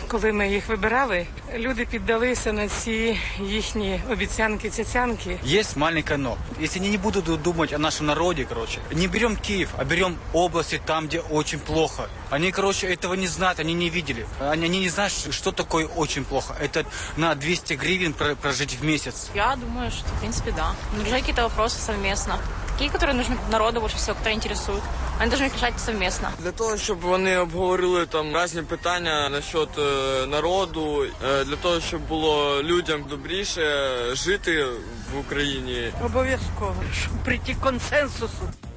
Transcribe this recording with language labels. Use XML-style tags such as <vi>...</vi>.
<uk>Коли ми їх вибирали, люди піддалися на ці їхні обіцянки, цяцянки. Є маленьке но. Якщо не будуть думати о нашому народі, коротше, не беремо Київ, а беремо області там, де дуже плохо. Вони, коротше, цього не знають, вони не бачили. Вони не знають, що таке дуже плохо. Це на 200 гривень прожити в місяць.</uk> <ru>Я думаю, что, в принципе, да. Нужны какие-то вопросы совместно. Такие, которые нужны народу больше всего, которые интересуют.</ru> <uk>Вони повинні вирішати совместно. Для того, щоб вони обговорили там різні питання насчет народу, для того, щоб було людям добріше жити в Україні. Обов'язково, щоб прийти консенсусу.</uk>